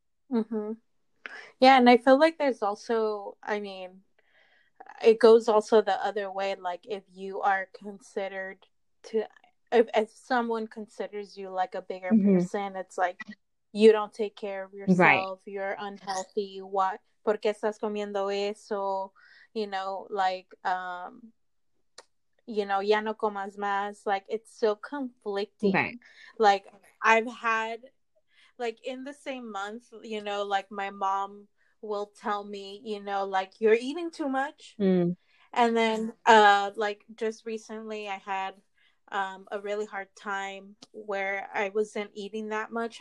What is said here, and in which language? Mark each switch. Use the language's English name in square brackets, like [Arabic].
[English] Yeah, and I feel like there's also, I mean, it goes also the other way. Like, if you are considered to, if someone considers you like a bigger person, it's like you don't take care of yourself, you're unhealthy. What? [Spanish] ¿Por qué estás comiendo eso? Ya no comas más. [English] Like, it's so conflicting. Like, I've had, like, in the same month, like, my mom will tell me, like, you're eating too much. And then, like, just recently, I had a really hard time where I wasn't eating that much.